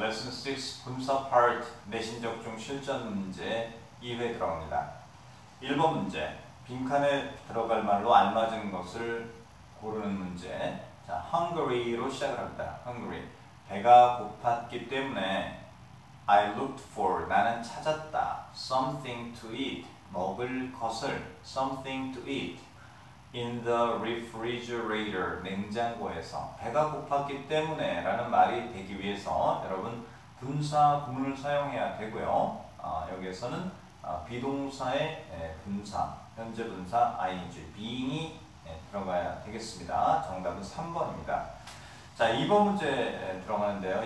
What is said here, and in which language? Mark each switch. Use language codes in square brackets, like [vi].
[ko] 레슨 6 분석 파트 내신 적중 실전 문제 2회 들어갑니다. 1번 문제, 빈칸에 들어갈 말로 알맞은 것을 고르는 문제. 자, hungry로 시작을 합니다. [en] hungry. [ko] 배가 고팠기 때문에 [en] I looked for, [ko] 나는 찾았다. [en] something to eat, [ko] 먹을 것을. [en] something to eat. In the refrigerator, [ko] 냉장고에서. 배가 고팠기 때문에 라는 말이 되기 위해서 여러분 분사 구문을 사용해야 되고요. 여기에서는 비동사의 분사, 현재 분사 ing, being이 들어가야 되겠습니다. 정답은 3번입니다. 자, 2번 문제 들어가는데요.